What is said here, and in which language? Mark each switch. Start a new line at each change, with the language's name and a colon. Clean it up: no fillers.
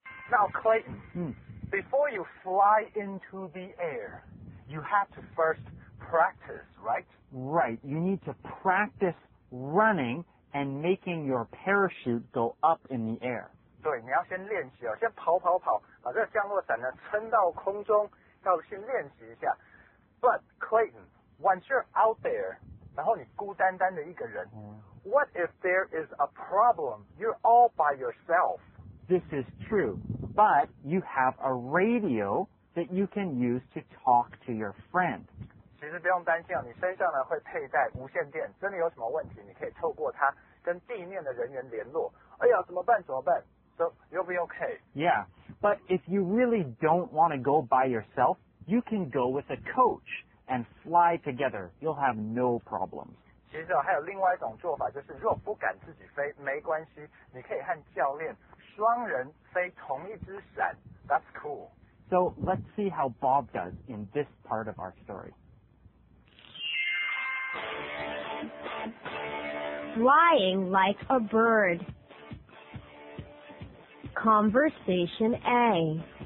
English: Now, Clayton, before you fly into the air, you have to first practice, right? Right. You need to practice running and making your parachute go up in the air.
Chinese: 对，你要先练习，先跑跑跑，把这个降落伞呢撑到空中，要先练习一下。
English: But Clayton, once you're out there,
Chinese: 然后你孤单单的一个人、
English: what if there is a problem? You're all by yourself. This is true, but you have a radio that you can use to talk to your friend.
Chinese: 其实不用担心、你身上呢会佩戴无线电，真的有什么问题，你可以透过它跟地面的人员联络。哎呀，怎么办？怎么办？
English: So, you'll be okay. Yeah, but if you really don't want to go by yourself, you can go with a coach and fly together. You'll have no problems.
Chinese: 其实、还有另外一种做法，就是如果不敢自己飞，没关系，你可以和教练双人飞同一只伞。
English: That's cool. So, let's see how Bob does in this part of our story. Flying like a bird. Conversation A.